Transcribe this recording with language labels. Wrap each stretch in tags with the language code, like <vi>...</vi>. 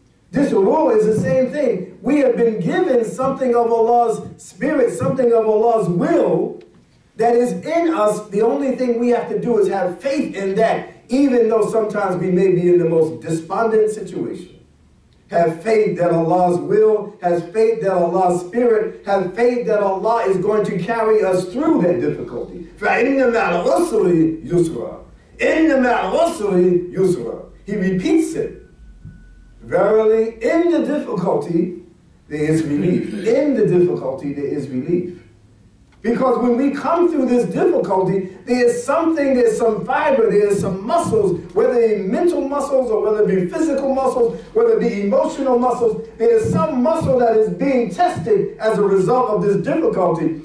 <en>This ruh is the same thing. We have been given something of Allah's spirit, something of Allah's will that is in us. The only thing we have to do is have faith in that, even though sometimes we may be in the most despondent situation. Have faith that Allah's will, have faith that Allah's spirit, have faith that Allah is going to carry us through that difficulty.</en> <ar>فَإِنَّ مَعَ الْعُسْرِ يُسْرًا إِنَّ مَعَ الْعُسْرِ يُسْرًا</ar> <en>He repeats it. Verily, in the difficulty, there is relief. In the difficulty, there is relief. Because when we come through this difficulty, there is something, there's some fiber, there is some muscles, whether it be mental muscles or whether it be physical muscles, whether it be emotional muscles, there is some muscle that is being tested as a result of this difficulty.</en>